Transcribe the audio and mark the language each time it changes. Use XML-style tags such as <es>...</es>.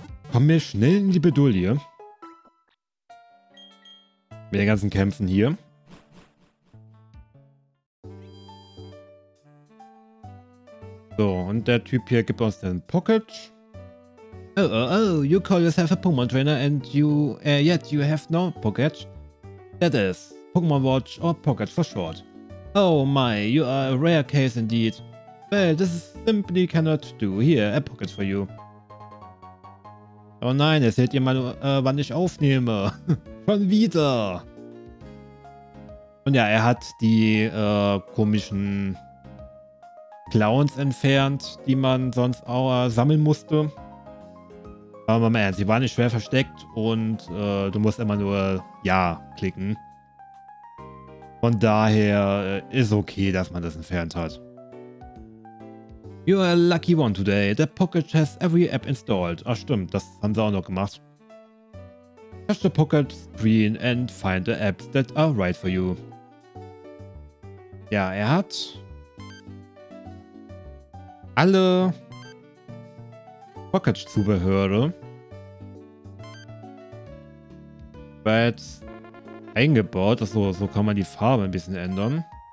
<de>kommen wir schnell in die Bedouille. Mit den ganzen Kämpfen hier. So, und der Typ hier gibt uns den Pocket.</de> <en>Oh, oh, oh, you call yourself a Pokémon Trainer and you, yet you have no Pocket. That is, Pokémon Watch or Pocket for short. Oh my, you are a rare case indeed. Well, this is simply cannot do. Here, a pocket for you.</en> <de>Oh nein, erzählt ihr mal, wann ich aufnehme. Schon wieder. Und ja, er hat die komischen Clowns entfernt, die man sonst auch sammeln musste. Aber mal ernst, sie waren nicht schwer versteckt und du musst immer nur Ja klicken. Von daher ist okay, dass man das entfernt hat.</de> <en>You're a lucky one today. The Pocket has every app installed.</en> <de>Ach stimmt, das haben sie auch noch gemacht.</de> <en>Touch the Pocket screen and find the apps that are right for you.</en> <de>Ja, er hat alle Pocket-Zubehöre bereits eingebaut. Achso, so kann man die Farbe ein bisschen ändern.</de>